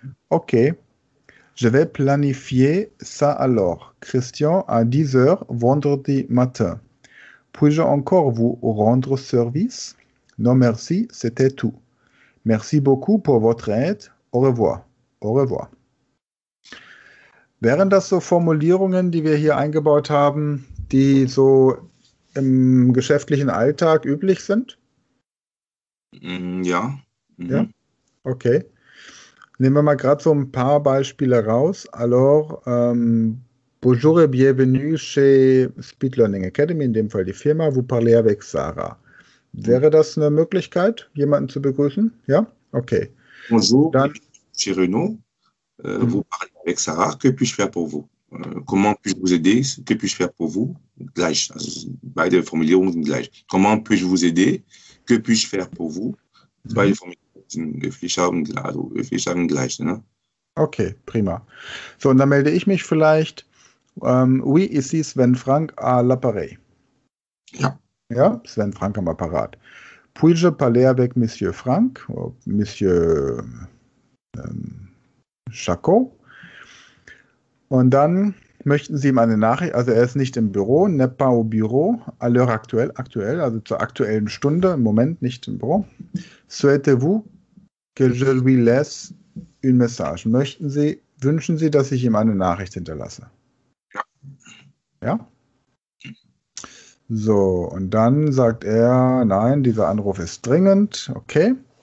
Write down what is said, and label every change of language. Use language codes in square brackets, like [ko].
[fr] Ok, je vais planifier ça alors. Christian, à 10 heures vendredi matin. Puis-je encore vous rendre service? Non, merci, c'était tout. Merci beaucoup pour votre aide. Au revoir. Au revoir. [de] Wären das so Formulierungen, die wir hier eingebaut haben, die so im geschäftlichen Alltag üblich sind? Ja. Mhm. Ja? Okay. Nehmen wir mal gerade so ein paar Beispiele raus. [fr] Alors, bonjour et bienvenue chez Speed Learning Academy, [de] in dem Fall die Firma. [fr] Vous parlez avec Sarah. [de] Wäre das eine Möglichkeit, jemanden zu begrüßen? Ja? Okay. [fr] Bonjour, dann, chez Renault. Vous parlez avec Sarah. Que puis-je faire pour vous? Comment puis-je vous aider? Que puis-je faire pour vous? [de] Gleich. Also, beide Formulierungen sind gleich. [fr] Comment puis-je vous aider? Que puis-je faire pour vous? [de] Beide Formulierungen sind höflich haben, also höflich haben gleich. Ne? Okay, prima. So, und dann melde ich mich vielleicht. [fr] Oui, ici Sven Frank à l'appareil. [de] Ja. Ja, Sven Frank am Apparat. [fr] Puis-je parler avec Monsieur Frank? Monsieur Chaco? [de] Und dann möchten Sie ihm eine Nachricht, also er ist nicht im Büro, [fr] n'est pas au bureau, à l'heure actuelle, [de] aktuell, also zur aktuellen Stunde, im Moment nicht im Büro. [fr] Souhaitez-vous que je lui laisse une message? [de] Möchten Sie, wünschen Sie, dass ich ihm eine Nachricht hinterlasse? Ja. Ja? So, und dann sagt er, nein, dieser Anruf ist dringend, okay.